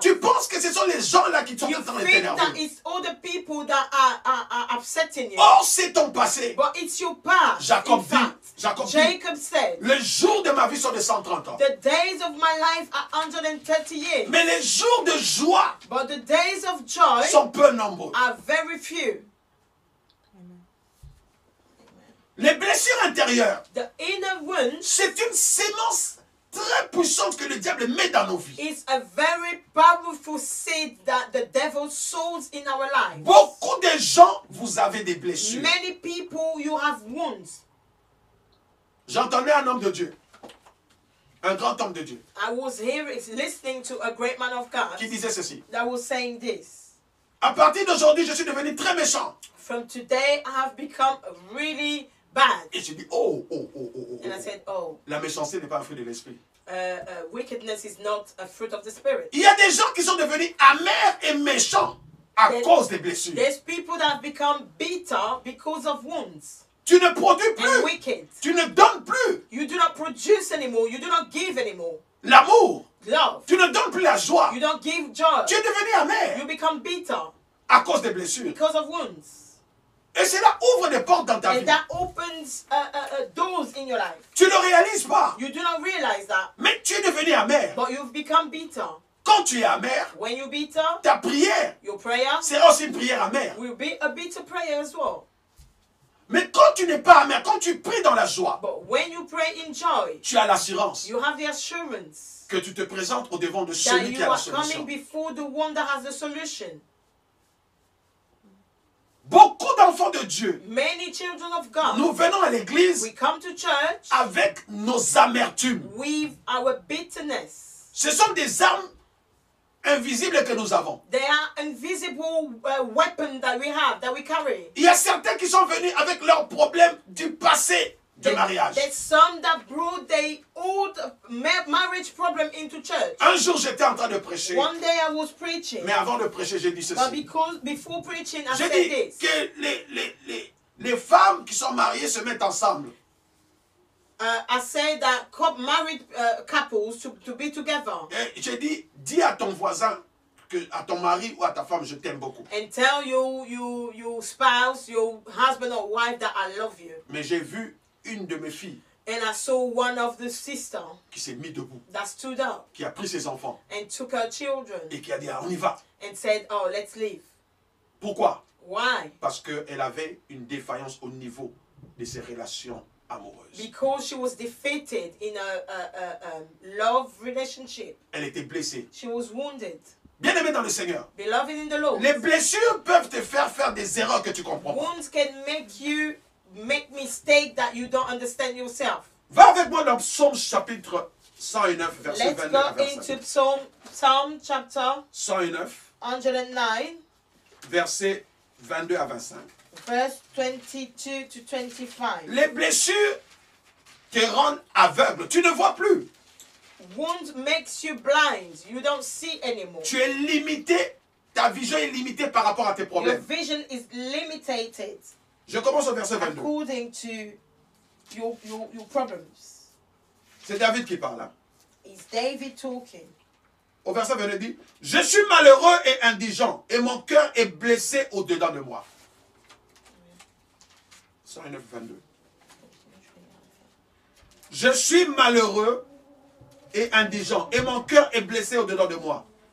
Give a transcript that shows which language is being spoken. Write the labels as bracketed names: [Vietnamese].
[French] Tu penses que ce sont les gens là qui sont en train de t'énerver. [English] You think that it's all the people that are upsetting you. [French] Or c'est ton passé. [English] But it's your past. [French] Jacob [English] in fact, [French] dit. Jacob Jacob dit, [English] said. [French] Les jours de ma vie sont de 130 ans. [English] The days of my life are 130 years. [French] Mais les jours de joie. [English] But the days of joy [French] sont peu nombreux. [English] Are very few. [French] Les blessures intérieures, [English] the inner wounds, [French] c'est une semence très puissante que le diable met dans nos vies. [English] It's a very powerful seed that the devil sows in our lives. [French] Beaucoup de gens, vous avez des blessures. [English] Many people, you have wounds. [French] J'entendais un homme de Dieu. Un grand homme de Dieu. [English] I was hearing, listening to a great man of God. [French] Qui disait ceci. [English] That was saying this. [French] À partir d'aujourd'hui, je suis devenu très méchant. [English] From today, I have become really bad. [French] Et j'ai dit, oh. [English] And I said, oh. [French] La méchanceté n'est pas un fruit de l'esprit. [English] Wickedness is not a fruit of the spirit. [French] Il y a des gens qui sont devenus amers et méchants à cause des blessures. [English] There's people that have become bitter because of wounds. [French] Tu ne produis plus. [English] And wicked. [French] Tu ne donnes plus. [English] You do not produce anymore. You do not give anymore. [French] L'amour. [English] Love. [French] Tu ne donnes plus la joie. [English] You don't give joy. [French] Tu es devenu amer. [English] You become bitter. [French] À cause des blessures. [English] Because of wounds. [French] Et cela ouvre des portes dans ta [English] and [French] vie. [English] And that opens doors in your life. [French] Tu ne réalises pas. [English] You do not realize that. [French] Mais tu es devenu amer. [English] But you've become bitter. [French] Quand tu es amer, [English] when you're bitter, [French] ta prière, [English] your prayer, [French] sera aussi une prière amère. [English] Will be a bitter prayer as well. [French] Mais quand tu n'es pas amer, quand tu pries dans la joie, [English] but when you pray in joy, [French] tu as l'assurance. [English] You have the assurance [French] que tu te présentes au devant de celui qui a la solution. [English] That you are coming before the one that has the solution. [French] Beaucoup d'enfants de Dieu, [English] many children of God, [French] nous venons à l'église, [English] we come to church, [French] avec nos amertumes, [English] with our bitterness. [French] Ce sont des armes invisibles que nous avons. [English] They are invisible weapons that we have, that we carry. [French] Il y a certains qui sont venus avec leurs problèmes du passé. De mariage. [English] There's some that brought their old marriage problem into church. [French] Un jour, j'étais en train de prêcher. [English] One day I was preaching. [French] Mais avant de prêcher, j'ai dit ceci. [English] But because before preaching, I [French] j'ai [English] said [French] dit [English] this. [French] Que les femmes qui sont mariées se mettent ensemble. [English] I said that married couples to be together. [French] Et j'ai dis à ton voisin. Que à ton mari ou à ta femme, je t'aime beaucoup. [English] And tell your spouse, your husband or wife that I love you. [French] Mais j'ai vu une de mes filles. [English] And I saw one of the sisters. [French] Qui s'est mis debout. [English] That stood up. [French] Qui a pris ses enfants. [English] And took her children. [French] Et qui a dit, ah, on y va. [English] And said, oh, let's leave. [French] Pourquoi? [English] Why? [French] Parce qu'elle avait une défaillance au niveau de ses relations amoureuses. [English] Because she was defeated in a love relationship. [French] Elle était blessée. [English] She was wounded. [French] Bien-aimé dans le Seigneur. [English] Beloved in the Lord. [French] Les blessures peuvent te faire des erreurs que tu comprends. [English] Wounds can make mistakes that you don't understand yourself. [French] Va avec moi dans Psaume chapitre 109 verset 20. [English] Let's go into Psalm chapter 109. 109. [French] Verset 22 à 25. [English] Verse 22 to 25. [French] Les blessures te rendent aveugle. Tu ne vois plus. [English] Wound makes you blind. You don't see anymore. [French] Tu es limité. Ta vision est limitée par rapport à tes problèmes. [English] Your vision is limited. [French] Je commence au verset 22. [English] According to your problems. [French] C'est David qui parle. [English] Is David talking? [French] Au verset 22 dit, je suis malheureux et indigent et mon cœur est blessé au dedans de moi. 109, 22. Je suis malheureux et indigent, et mon cœur est blessé au-dedans de moi.